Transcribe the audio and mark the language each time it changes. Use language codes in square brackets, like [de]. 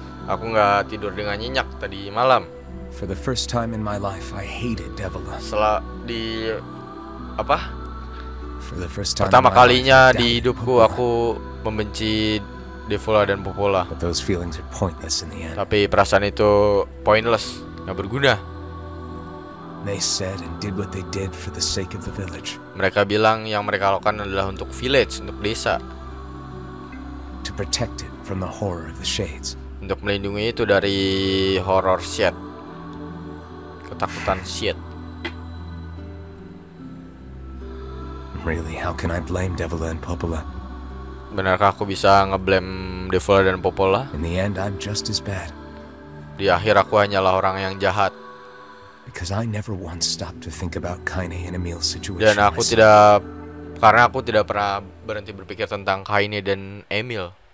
[id] Aku enggak tidur dengan nyenyak tadi malam. [en] For the first time in my life I hated Devola. [id] Setelah di apa? Pertama kalinya di hidupku aku membenci Devola dan Popola. Tapi perasaan itu pointless, enggak berguna. [en] They said and did what they did for the sake of the village. [id] Mereka bilang yang mereka lakukan adalah untuk village, untuk desa. [en] To protect it from the horror of the shades. [id] Untuk melindungi itu dari horror shade. Ketakutan shade. [en] Really, how can I blame Devola and Popola? [id] Benarkah aku bisa ngeblame Devola dan Popola? [en] In the end, I'm just as bad. [id] Di akhir aku hanyalah orang yang jahat. [en] Because I never once stopped to think about Kaine and Emil's situation. [id] Dan aku tidak, karena aku tidak pernah berhenti berpikir tentang Kaine dan Emil.